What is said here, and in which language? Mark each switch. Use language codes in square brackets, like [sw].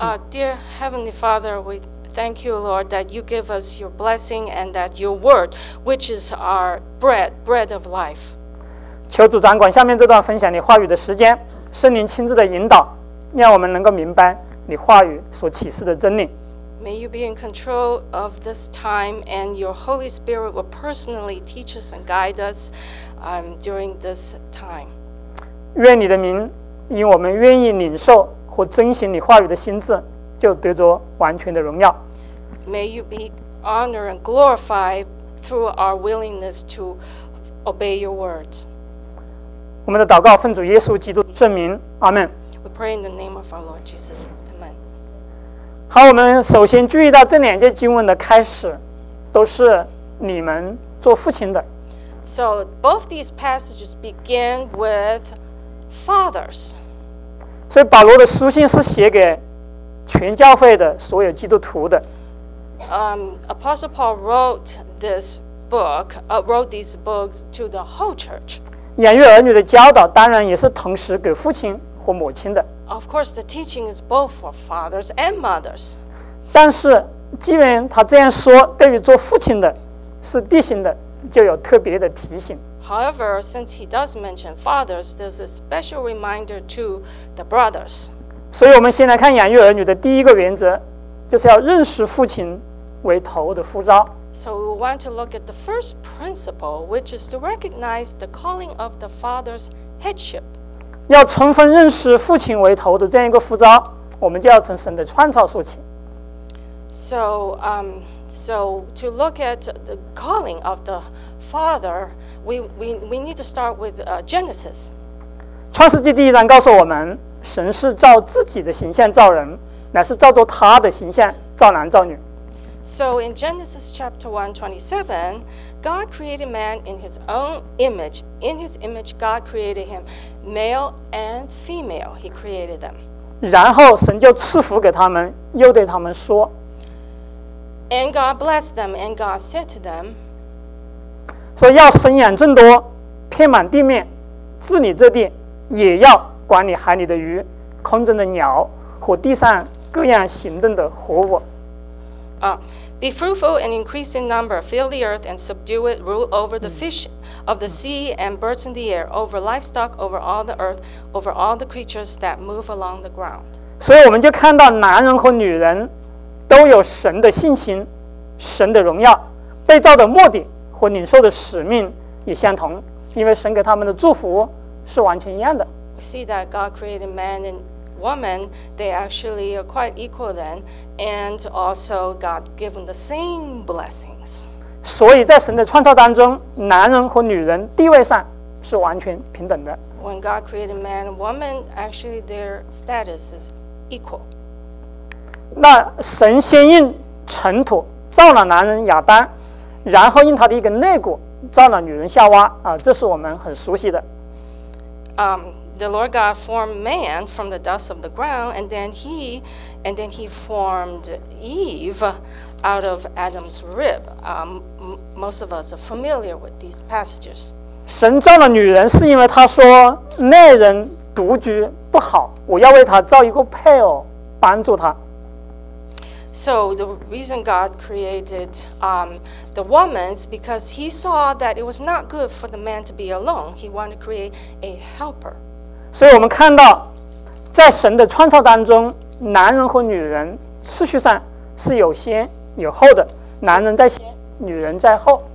[en] Dear Heavenly Father, we thank you, Lord, that you give us your blessing and that your word, which is our bread of life. [zh] 求主掌管下面这段分享你话语的时间，圣灵亲自的引导，让我们能够明白你话语所启示的真理。 [en] May you be in control of this time, and your Holy Spirit will personally teach us and guide us during this time. [zh] 愿你的名，因我们愿意领受或遵行你话语的心智，就得着完全的荣耀。 [en] May you be honored and glorified through our willingness to obey your words. [zh] 我们的祷告奉主耶稣基督圣名，阿门。 [en] We pray in the name of our Lord Jesus, Amen. [zh] 好，我们首先注意到这两节经文的开始，都是你们做父亲的。 [en] So both these passages begin with fathers. [zh] 所以保罗的书信是写给全教会的所有基督徒的。 [en] Apostle Paul wrote this book, wrote these books to the whole church. [zh] 养育儿女的教导当然也是同时给父亲和母亲的。 [en] Of course, the teaching is both for fathers and mothers. [zh] 但是既然他这样说，对于做父亲的是弟兄的，就有特别的提醒。 [en] However, since he does mention fathers, there's a special reminder to the brothers. [zh] 所以我们先来看养育儿女的第一个原则，就是要认识父亲为头的呼召。 [en] So we want to look at the first principle, which is to recognize the calling of the father's headship. [zh] 要充分认识父亲为头的这样一个呼召，我们就要从神的创造说起。 [en] So to look at the calling of the father, we need to start with Genesis. [zh] 创世纪第一章告诉我们，神是照自己的形象造人，乃是照着他的形象造男造女。 [en] So in Genesis chapter 1:27, God created man in his own image. In his image, God created him, male and female. He created them. [zh] 然后神就赐福给他们，又对他们说。 [en] And God blessed them, and God said to them, [zh] 说要生养众多，遍满地面，治理这地，也要管理海里的鱼，空中的鸟，和地上各样行动的活物。 [en] Be fruitful and increase in number, fill the earth and subdue it, rule over the fish of the sea and birds in the air, over livestock, over all the earth, over all the creatures that move along the ground. [zh] 所以我们就看到男人和女人都有神的性情，神的荣耀，被造的目的和领受的使命也相同，因为神给他们的祝福是完全一样的。 [en] We see that God created man and woman, they actually are quite equal then, and also God gave them the same blessings. [zh] 所以在神的创造当中，男人和女人地位上是完全平等的。 [en] When God created man and woman, actually their status is equal. [zh] 那神先用尘土造了男人亚当，然后用他的一个肋骨造了女人夏娃，这是我们很熟悉的。 [en] the Lord God formed man from the dust of the ground, and then he formed Eve out of Adam's rib. Most of us are familiar with these passages. [zh] 神造了女人是因为他说那人独居不好，我要为他造一个配偶帮助他。 [en] So the reason God created the woman is because he saw that it was not good for the man to be alone. He wanted to create a helper. [zh] 所以我们看到在神的创造当中，男人和女人次序上是有先有后的，男人在先，女人在后。